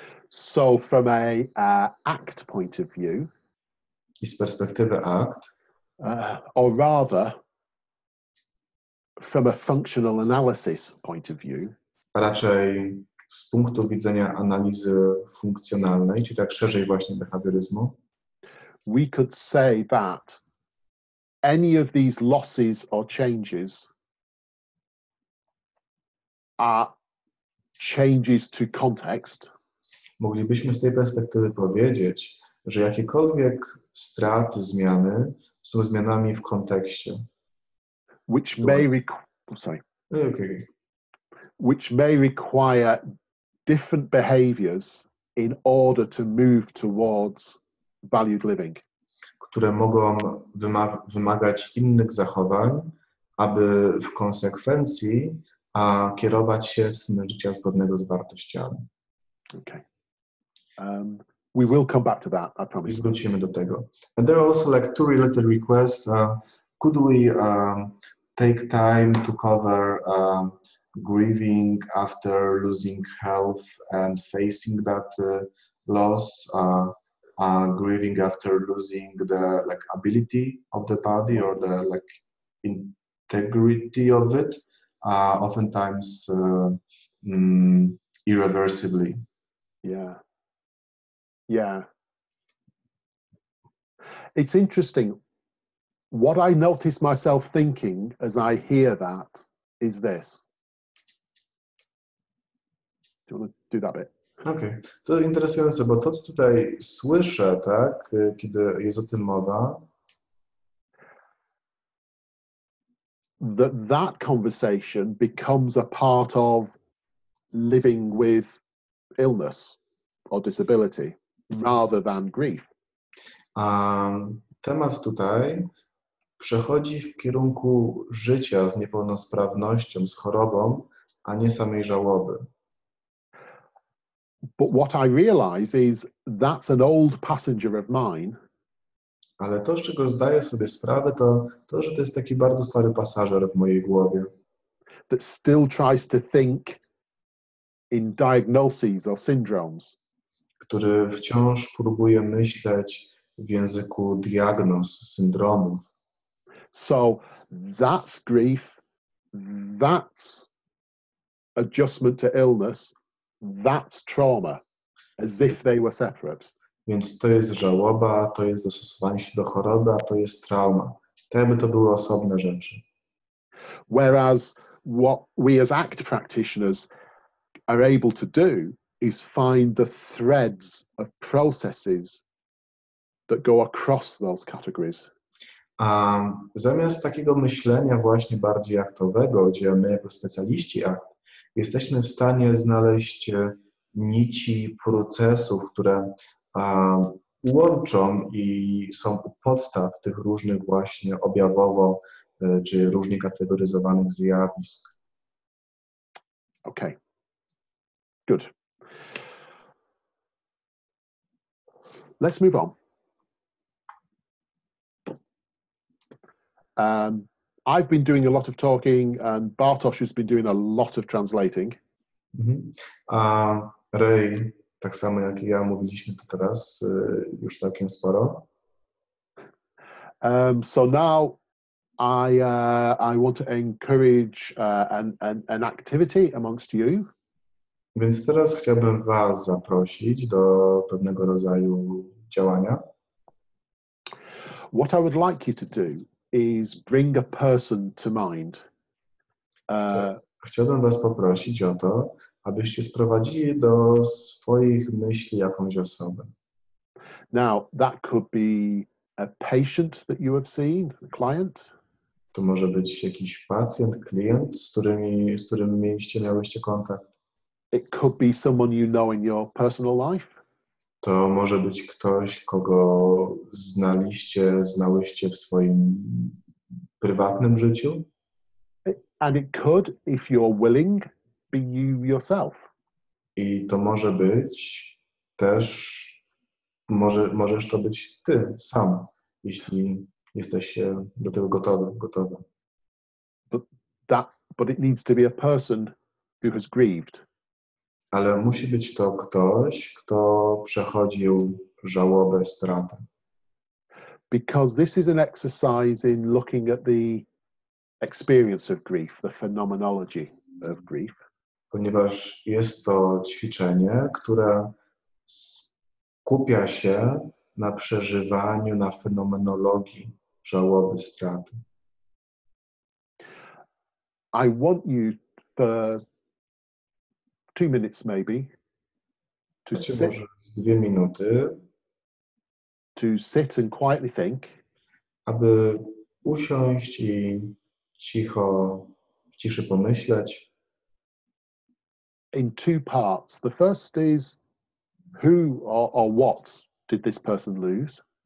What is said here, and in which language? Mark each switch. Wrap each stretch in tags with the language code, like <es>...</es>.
<en>So from a ACT point of view,</en> <pl>i z perspektywy ACT,</pl> <en>or rather from a functional analysis point of view,</en> <pl>raczej z punktu widzenia analizy funkcjonalnej, czy tak szerzej właśnie behawioryzmu,</pl> <en>we could say that any of these losses or changes are changes to context.</en> <pl>Moglibyśmy z tej perspektywy powiedzieć, że jakiekolwiek straty, zmiany są zmianami w kontekście.</pl> <en>Which may which may require different behaviors in order to move towards valued living.</en> <pl>Które mogą wymagać innych zachowań, aby w konsekwencji kierować się w stronę życia zgodnego z wartościami.</pl> <en>Okay. We will come back to that, I promise.</en> <pl>Wrócimy do tego.</pl> <en>And there are also like two related requests. Could we take time to cover grieving after losing health and facing that loss? Grieving after losing the like ability of the body or the like integrity of it, oftentimes irreversibly. Yeah. It's interesting. What I notice myself thinking as I hear that is this. Do you want to do that bit?</en> <pl>Okej. Okay. To interesujące, bo to, co tutaj słyszę, tak, kiedy jest o tym mowa.</pl> <en>That conversation becomes a part of living with illness or disability rather than grief.</en> <pl>Temat tutaj przechodzi w kierunku życia z niepełnosprawnością, z chorobą, a nie samej żałoby.</pl> <en>But what I realize is that's an old passenger of mine.</en> <pl>Ale to, z czego zdaję sobie sprawę, to, że to jest taki bardzo stary pasażer w mojej głowie.</pl> <en>That still tries to think in diagnoses or syndromes.</en> <pl>Który wciąż próbuje myśleć w języku diagnoz, syndromów.</pl> <en>So that's grief, that's adjustment to illness. That's trauma, as if they were separate.</en> <pl>Więc to jest żałoba, to jest dostosowanie się do choroby, a to jest trauma. Tak jakby to były osobne rzeczy.</pl> <en>Whereas what we as ACT practitioners are able to do is find the threads of processes that go across those categories.</en> <pl>Zamiast takiego myślenia właśnie bardziej aktowego, gdzie my jako specjaliści ACT jesteśmy w stanie znaleźć nici procesów, które łączą i są u podstaw tych różnych właśnie objawowo czy różnie kategoryzowanych zjawisk.</pl> <en>Okay. Good. Let's move on. I've been doing a lot of talking and Bartosz has been doing a lot of translating.</en> <pl>Ray, tak samo jak i ja, mówiliśmy to teraz już całkiem sporo.</pl> <en>So now I want to encourage an activity amongst you.</en> <pl>Więc teraz chciałbym was zaprosić do pewnego rodzaju działania.</pl> <en>What I would like you to do is bring a person to mind.</en> <pl>Chciałbym was poprosić o to, abyście sprowadzili do swoich myśli jakąś osobę.</pl> <en>Now, that could be a patient that you have seen, a client.</en> <pl>To może być jakiś pacjent, klient, z którym mieliście kontakt.</pl> <en>It could be someone you know in your personal life.</en> <pl>To może być ktoś, kogo znałyście w swoim prywatnym życiu.</pl> <en>And it could, if you're willing, be you yourself.</en> <pl>I to może być też, możesz to być ty sam, jeśli jesteś do tego gotowy.</pl> <en>But it needs to be a person who has grieved.</en> <pl>Ale musi być to ktoś, kto przechodził żałobę, stratę.</pl> <en>Because this is an exercise in looking at the experience of grief, the phenomenology of grief.</en> <pl>Ponieważ jest to ćwiczenie, które skupia się na przeżywaniu, na fenomenologii żałoby, straty.</pl> <en>I want you for 2 minutes maybe to sit,</en> <pl>dwie minuty,</pl> <en>to sit and quietly think,</en> <pl>aby usiąść i cicho, w ciszy pomyśleć.</pl> <en>In 2 parts. The first is who or what did this person lose?</en>